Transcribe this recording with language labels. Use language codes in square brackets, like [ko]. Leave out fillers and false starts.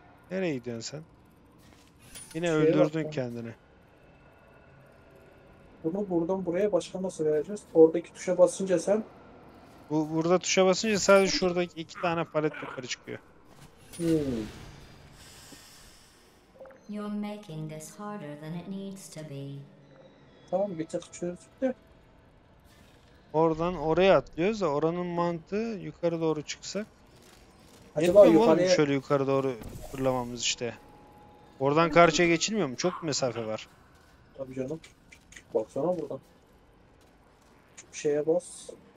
[tr] Nereye gidiyorsun sen? Yine şeye öldürdün bakma. Kendini. Bunu buradan buraya başka nasıl vereceğiz? Oradaki tuşa basınca sen... Bu burada tuşa basınca sadece şuradaki iki tane palet yukarı çıkıyor. [en] You're making this harder than it needs to be. [tr] Tamam bir tık çözdük de. Oradan oraya atlıyoruz da oranın mantığı yukarı doğru çıksak. Acaba yukarıya... Şöyle yukarı doğru fırlamamız işte. Oradan karşıya geçilmiyor mu? Çok mesafe var. Tabii canım. Baksana buradan. Bir şeye bas.